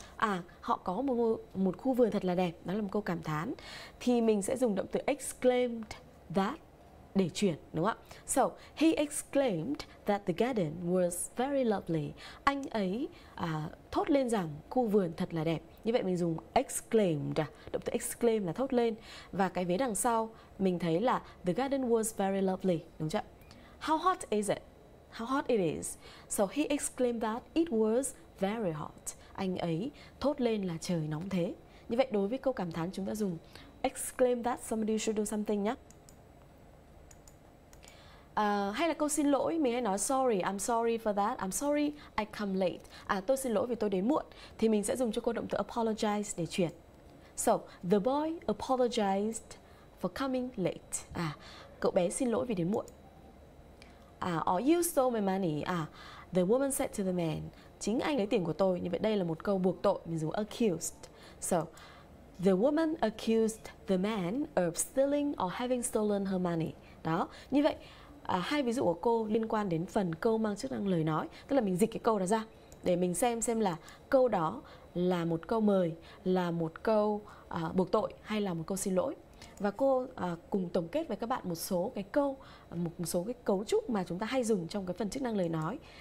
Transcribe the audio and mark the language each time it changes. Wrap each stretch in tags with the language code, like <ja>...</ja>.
<vi>À, họ có một khu vườn thật là đẹp. Đó là một câu cảm thán. Thì mình sẽ dùng động từ exclaimed that để chuyển, đúng không ạ?</vi> <en>So, he exclaimed that the garden was very lovely.</en> <vi>Anh ấy thốt lên rằng khu vườn thật là đẹp. Như vậy mình dùng exclaimed. Động từ exclaim là thốt lên. Và cái vế đằng sau mình thấy là</vi> <en>the garden was very lovely,</en> <vi>đúng chưa?</vi> <en>How hot is it? How hot it is. So he exclaimed that it was very hot.</en> <vi>Anh ấy thốt lên là trời nóng thế. Như vậy đối với câu cảm thán chúng ta dùng</vi> <en>exclaim that somebody should do something</en> <vi>nhé. Hay là câu xin lỗi, mình hay nói</vi> <en>sorry, I'm sorry for that, I'm sorry I come late.</en> <vi>À, tôi xin lỗi vì tôi đến muộn. Thì mình sẽ dùng cho câu động từ apologize để chuyển.</vi> <en>So the boy apologized for coming late.</en> <vi>À, cậu bé xin lỗi vì đến muộn.</vi> <en>Or you stole my money. The woman said to the man,</en> <vi>chính anh lấy tiền của tôi. Như vậy đây là một câu buộc tội, mình dùng accused.</vi> <en>So, the woman accused the man of stealing or having stolen her money.</en> <vi>Đó, như vậy hai ví dụ của cô liên quan đến phần câu mang chức năng lời nói. Tức là mình dịch cái câu đó ra để mình xem là câu đó là một câu mời, là một câu buộc tội hay là một câu xin lỗi. Và cô cùng tổng kết với các bạn một số cái câu, một số cái cấu trúc mà chúng ta hay dùng trong cái phần chức năng lời nói.</vi>